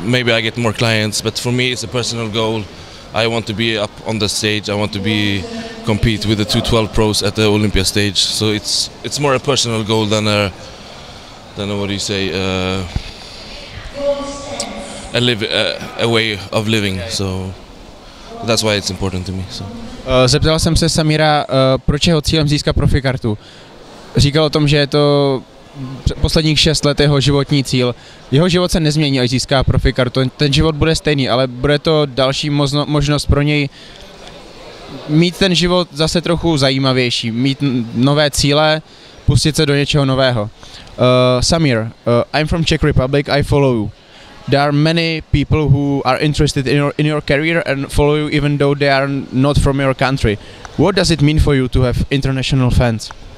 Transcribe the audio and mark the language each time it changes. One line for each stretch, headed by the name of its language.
English: Maybe I get more clients, but for me it's a personal goal. I want to be up on the stage. I want to be compete with the 212 pros at the Olympia stage. So it's more a personal goal than a way of living. So that's why it's important to me. So.
Czech: Zeptal jsem se Samira, proč jeho cílem získat profikartu. Říkal o tom, že je to posledních 6 let jeho životní cíl. Jeho život se nezmění, až získá profikartu. Ten život bude stejný, ale bude to další možnost pro něj mít ten život zase trochu zajímavější, mít nové cíle, pustit se do něčeho nového.
English: Samir, I'm from Czech Republic, I follow you. There are many people who are interested in your career and follow you even though they are not from your country. What does it mean for you to have international fans?